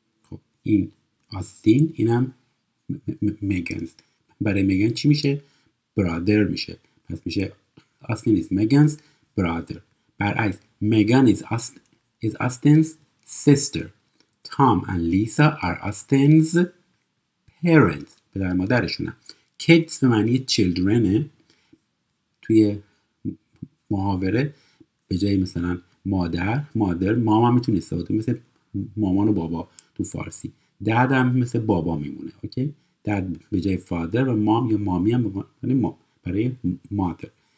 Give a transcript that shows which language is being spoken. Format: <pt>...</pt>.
<fa>خب این Austin، اینم Megan's. برای Megan چی میشه؟ برادر میشه. پس میشه</fa> <en>Austin is Megan's brother.</en> <fa>برعکس</fa> <en>Megan is Austin's sister. Tom and Lisa are Austin's parents.</en> <fa>پدر مادرشونه. Kids به معنی childrenه. توی محاوره به جای مثلا مادر ماما میتونه استفاده، مثل مامان و بابا تو فارسی. داد هم مثل بابا میمونه. اوکی؟ داد به جای فادر و مام یا مامی هم یعنی ما برای مادر.</fa>